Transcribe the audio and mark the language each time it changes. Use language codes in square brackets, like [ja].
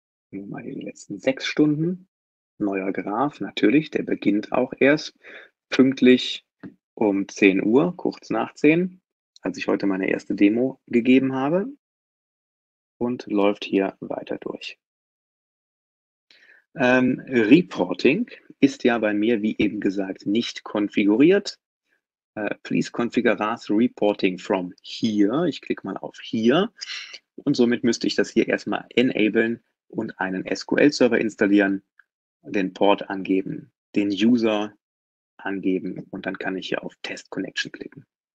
[de] Nur mal in den letzten 6 Stunden. Neuer Graph, natürlich, der beginnt auch erst pünktlich um 10 Uhr, kurz nach 10, als ich heute meine erste Demo gegeben habe. und läuft hier weiter durch. Reporting ist ja bei mir, wie eben gesagt, nicht konfiguriert. [en] Please configure RAS Reporting from here. [de] Ich klicke mal auf hier. Und somit müsste ich das hier erstmal enablen und einen SQL-Server installieren, den Port angeben, den User angeben und dann kann ich hier auf Test Connection klicken.